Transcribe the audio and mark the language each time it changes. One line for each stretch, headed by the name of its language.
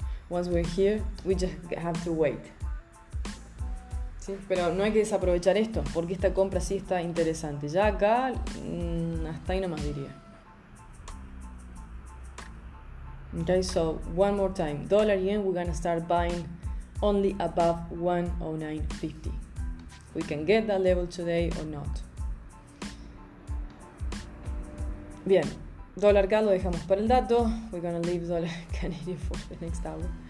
English: Once we're here, we just have to wait.
Spanish: ¿Sí? Pero no hay que desaprovechar esto, porque esta compra sí está interesante. Ya acá, hasta ahí nomás diría.
English: Okay, so one more time. Dollar yen, we're gonna start buying only above 1.0950. We can get that level today or not.
Spanish: Bien, dólar CAD lo dejamos para el dato.
English: We're gonna leave dollar Canadian for the next hour.